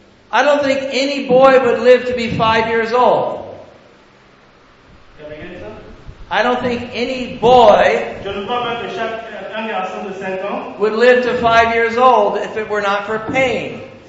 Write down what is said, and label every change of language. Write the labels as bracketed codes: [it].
[en] I don't think any boy would live to be 5 years old. Can I get it? I don't think any boy. [fr] Je ne crois pas que chaque garçon de 5 ans [en] would live to 5 years old if it were not for pain.